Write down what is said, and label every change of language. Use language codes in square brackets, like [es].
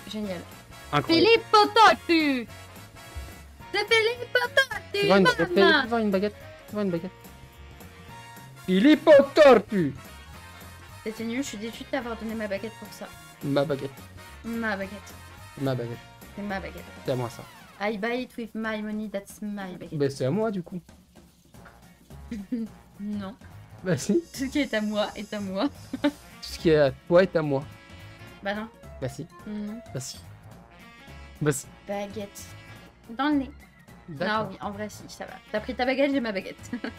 [fr] Génial. Incroyable. Philippe Tortue. C'est Philippe Tortue. Tu vois une baguette. Philippe Tortue. C'était nul, je suis déçue de t'avoir donné ma baguette pour ça. Ma baguette. C'est ma baguette. C'est à moi ça. [en] I buy it with my money, that's my baguette. [fr] Bah c'est à moi du coup. Non. Bah si. Tout ce qui est à moi est à moi. Tout ce qui est à toi est à moi. Bah non. Bah si. Non. Bah si. Bah si. Baguette. Dans le nez. D'accord. Non, oui, en vrai si, ça va. T'as pris ta baguette, j'ai ma baguette.